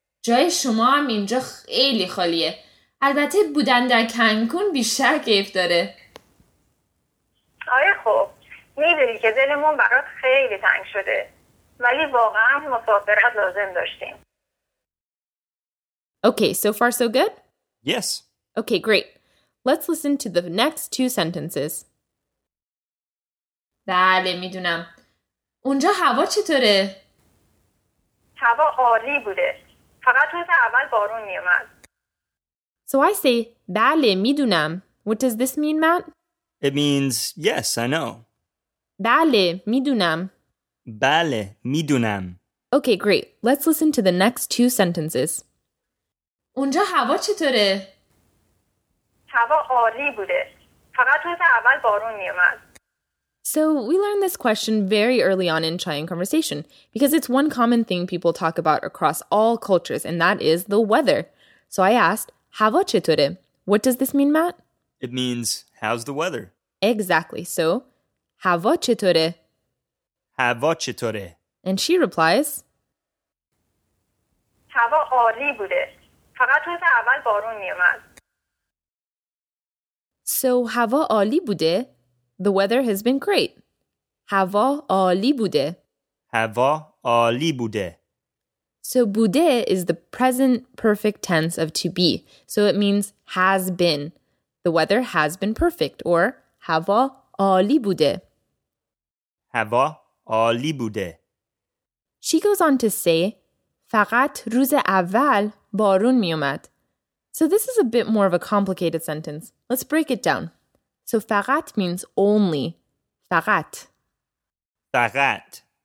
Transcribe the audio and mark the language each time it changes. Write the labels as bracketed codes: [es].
[fa] جای شما هم اینجا خیلی خالیه. البته بودن در کنکون بیشتر کیف داره. آره خوب، میدونی که دلمون برات خیلی تنگ شده. ولی واقعا مسافرت لازم داشتیم. [en] Okay, so far so good? Yes. Okay, great. Let's listen to the next two sentences. [fa] بله، میدونم. اونجا هوا چطوره؟ هوا عالی بوده. فقط روز اول بارون میومد. [en] So I say, [fa] بله، میدونم. [en] What does this mean, Matt? It means, yes, I know. [fa] بله, میدونم. بله, میدونم. [en] Okay, great. Let's listen to the next two sentences. [fa] اونجا هوا چطوره؟ هوا عالی بوده. فقط روز اول بارون میومد. [en] So we learned this question very early on in Chayan conversation because it's one common thing people talk about across all cultures, and that is the weather. So I asked, [fa] هوا چطوره? [en] What does this mean, Matt? It means, how's the weather? Exactly. [fa] So, هوا چطوره? هوا چطوره? [en] And she replies, [fa] هوا عالی بوده. فقط روز اول بارون میومد. So, هوا عالی بوده. [en] The weather has been great. [fa] هوا عالی بوده. هوا عالی بوده. [en] So بوده is the present perfect tense of to be. So it means has been. The weather has been perfect. [fa] Or هوا عالی بوده. هوا عالی بوده. [en] She goes on to say, [fa] فقط روز اول بارون میومد. [en] So this is a bit more of a complicated sentence. Let's break it down. So فقط means only. [fa] فقط. فقط.